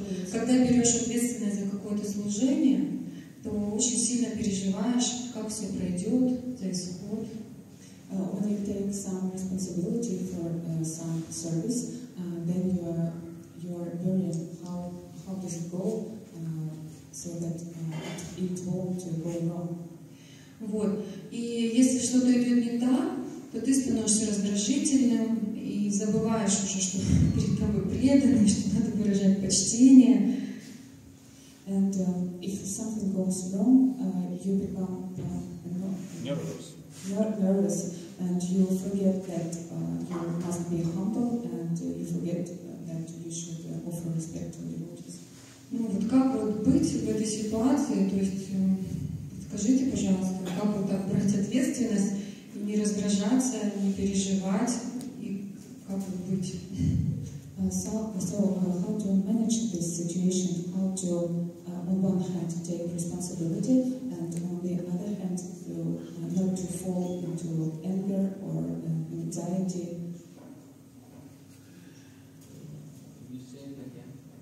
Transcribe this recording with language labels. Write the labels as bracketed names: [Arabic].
[Russian] Когда берешь ответственность за какое-то служение, то очень сильно переживаешь, как все пройдет, за исход. [English] When you take some responsibility for some service, then you are wondering how does it go, so that it won't go wrong. [Russian] Вот. И если что-то идет не так, то ты становишься раздражительным и забываешь уже, что перед тобой преданный, что надо выражать почтение. [English] And if something goes wrong, you become nervous. And you forget that you must be humble, and you forget that you should offer respect to the devotees. [Russian] Ну вот как вот быть в этой ситуации, то есть скажите, пожалуйста, как вот так брать ответственность, не раздражаться, не переживать, и как вот быть? [English] So how to manage this situation? How to on one hand take responsibility, and on the other hand not to fall into anger or anxiety. Can you say it again?